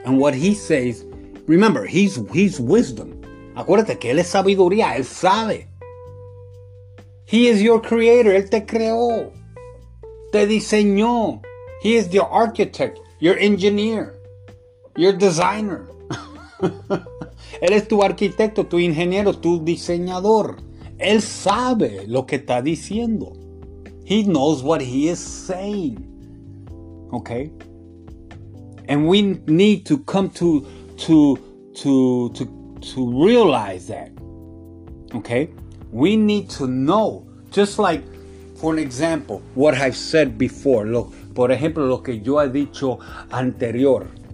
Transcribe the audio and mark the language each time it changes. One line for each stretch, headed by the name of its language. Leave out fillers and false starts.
English: And what he says, remember, he's wisdom.
Spanish: Acuérdate que él es sabiduría, él sabe.
English: He is your creator,
Spanish: él te creó. Te diseñó.
English: He is your architect, your engineer, your designer.
Spanish: Él es tu arquitecto, tu ingeniero, tu diseñador. Él sabe lo que está diciendo.
English: He knows what he is saying. Okay? And we need to come to realize that. Okay? We need to know. Just like, for an example, what I've said before.
Spanish: Por ejemplo, lo que yo he dicho anterior.